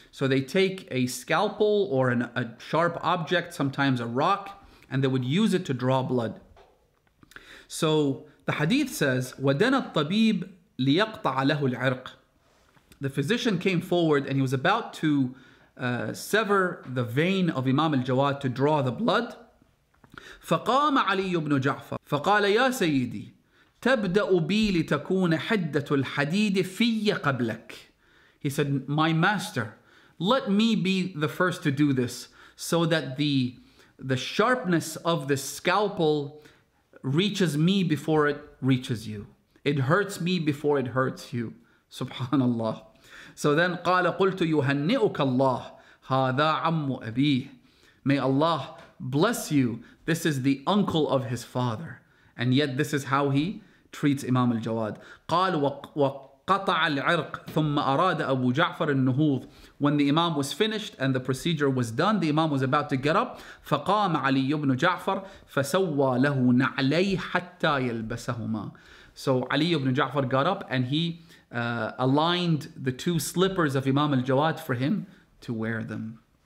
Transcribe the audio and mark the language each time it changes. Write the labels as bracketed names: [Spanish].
[English] So they take a scalpel or a sharp object, sometimes a rock, and they would use it to draw blood. So the hadith says, [Arabic] وَدَنَا الطَّبِيبُ لِيَقْطَعَ لَهُ الْعِرْقِ [English] The physician came forward and he was about to sever the vein of Imam al-Jawad to draw the blood. [Arabic] فقام علي بن جعفر فقال يا سيدي تبدأ بي لتكون حدة الحديد في قبلك. [English] He said, my master, let me be the first to do this so that the sharpness of the scalpel reaches me before it reaches you. It hurts me before it hurts you. [Arabic] Subhanallah. [English] So then [Arabic] قال قلت يهنئك الله هذا عم أبيه [English] May Allah bless you. This is the uncle of his father. And yet this is how he treats Imam al-Jawad. [Arabic] قال وقطع العرق ثم أراد أبو جعفر النهوض [English] When the Imam was finished and the procedure was done, the Imam was about to get up. [Arabic] فقام علي بن جعفر فسوى له نعلي حتى يلبسهما [English] So Ali ibn Ja'far got up and he aligned the two slippers of Imam al-Jawad for him to wear them.